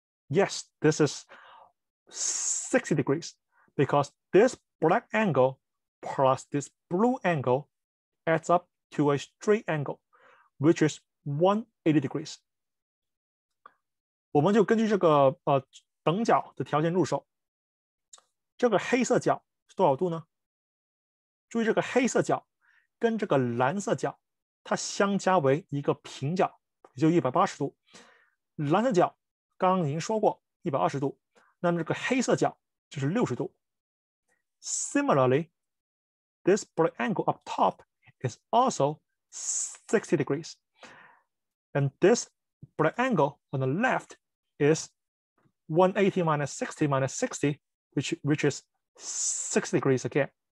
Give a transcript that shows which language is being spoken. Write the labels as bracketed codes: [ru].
[en] Yes, this is 60 degrees because this black angle plus this blue angle adds up to a straight angle, which is 180 degrees. [zh] 我们就根据这个等角的条件入手。这个黑色角是多少度呢？注意这个黑色角跟这个蓝色角它相加为一个平角，也就180度。蓝色角刚刚已经说过120度，那么这个黑色角就是60度。 [en] Similarly, this black angle up top is also 60 degrees. And this black angle on the leftis 180 minus 60 minus 60, which is 60 degrees again.